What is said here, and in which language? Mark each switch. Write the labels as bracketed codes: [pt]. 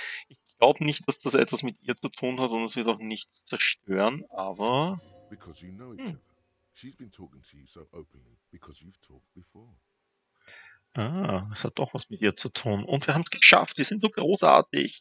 [de] Ich glaube nicht, dass das etwas mit ihr zu tun hat und es wird auch nichts zerstören, aber... [en] Because you know each other. She's been talking to you so openly, because you've talked before. [de] Ah, es hat doch was mit ihr zu tun. Und wir haben es geschafft, wir sind so großartig.